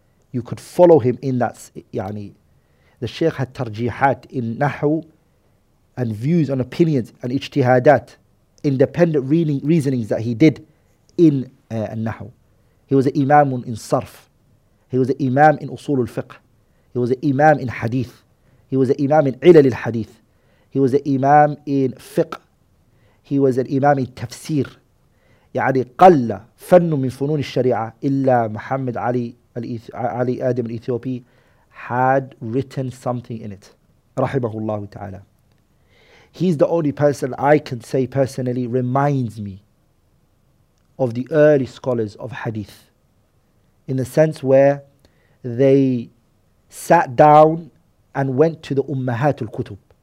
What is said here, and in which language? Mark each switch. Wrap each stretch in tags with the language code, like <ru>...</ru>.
<en>You could follow him in that, yani. The Sheikh had tarjihat in nahu, and views and opinions and ijtihadat, independent reasonings that he did in nahu. He was an imam in sarf. He was an imam in usul al-fiqh. He was an imam in hadith. He was an imam in ilal al-hadith. He was an imam in fiqh. He was an imam in tafsir.</en> <ar>يعني قل فن من فنون الشريعة إلا محمد علي علي آدم الإثيوبي</ar> <en>had written something in it.</en> <ar>رحمه الله تعالى.</ar> <en>He's the only person I can say personally reminds me of the early scholars of hadith, in the sense where they sat down and went to the Ummahatul Kutub.</en>